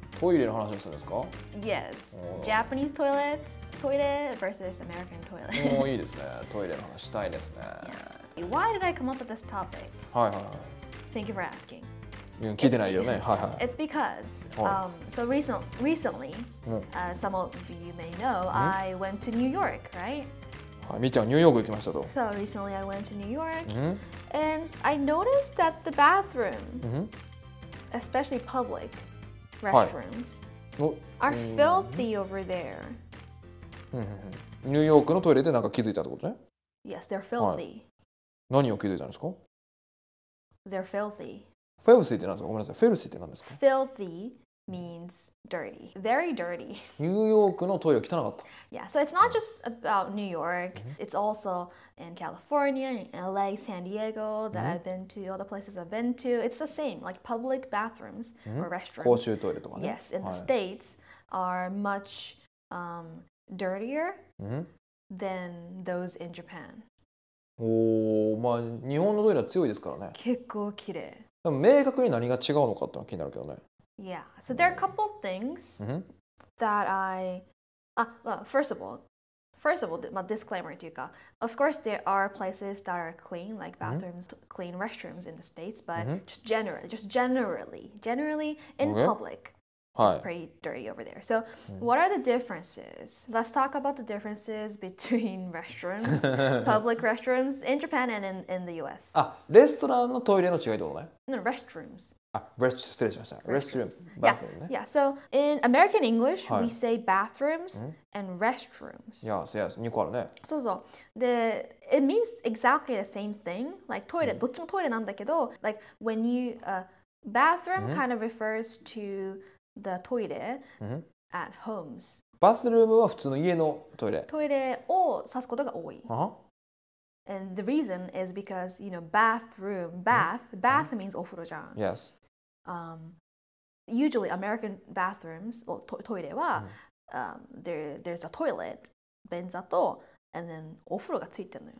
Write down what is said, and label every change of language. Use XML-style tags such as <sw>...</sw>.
<ja>トイレの話をするんですか?</ja> <en>Yes. Japanese toilets, toilet versus American toilet.</en> <ja>もういいですね。トイレの話したいですね。</ja> <en>Yeah. Why did I come up with this topic?</en> <ja>はいはい、はい、</ja> <en>Thank you for asking.</en> <ja>聞いてないよね。はいはい、</ja> <en>It's because,、</en> <ja>はい、</ja> <en>so recently,、</en> <ja>うん、</ja> <en>some of you may know, I went to New York, right?</en> <ja>はい、みーちゃん、ニューヨーク行きましたと。</ja> <en>So recently I went to New York,、</en> <ja>うん、</ja> <en>and I noticed that the bathroom,、うん、especially public restrooms,、</en> <ja>はい、</ja> <en>are filthy over there.</en> <ja>ニューヨークのトイレでなんか気づいたってことね。</ja> <en>Yes, they're filthy.、</en> <ja>はい何を気づいたんですか?</ja> <en>They're filthy.</en> <ja>Filthy って何ですか? ごめんなさい。Filthy って何ですか?</ja> <en>Filthy means dirty. Very dirty.</en> <ja>ニューヨークのトイレ汚かった。</ja> <en>Yeah, so it's not just about New York. It's also in California, in LA, San Diego that I've been to, all the places I've been to. It's the same, like public bathrooms or restrooms.</en> <ja>公衆トイレとかね。</ja> <en>Yes, in the States are much dirtier than those in Japan.</en> <ja>おまあ、日本のトイレは強いですからね。結構綺麗。でも明確に何が違うのかってのは気になるけどね。</ja> <en>Yeah, so there are a couple of things that I... Well, first of all, disclaimer</en> <ja>というか、</ja> <en>of course there are places that are clean, like bathrooms, clean restrooms in the States, but just generally in public,、</en> <ja>はい、</ja> <en>it's pretty dirty over there. So what are the differences? Let's talk about the differences between restrooms, public restrooms in Japan and in the US.</en> <ja>あ、レストランのトイレの違いってことね。</ja> <en>No, restrooms.</en> <ja>あ、失礼しました。Restroom, bathroom ね。</ja> <en>Yeah, so in American English,、</en> <ja>はい、</ja> <en>we say bathrooms and restrooms. Yes, yes,</en> <ja>2個あるね。そうそう。で、</ja> <en>it means exactly the same thing. Like</en> <ja>トイレ、どっちもトイレなんだけど、</ja> <en>like when you, bathroom kind of refers to... The toilet at homes.</en> <ja>Bathroom は普通の家のトイレ。トイレを指すことが多い。</ja> <en>And the reason is because, you know, bathroom, bath, bath means</en> <ja>お風呂じゃん。</ja> <en>Yes. Usually American bathrooms, or</en> <ja>トイレは、</ja> <en>there's a toilet,</en> <ja>便座と、</ja> <en>and then</en> <ja>お風呂がついてるのよ。</ja>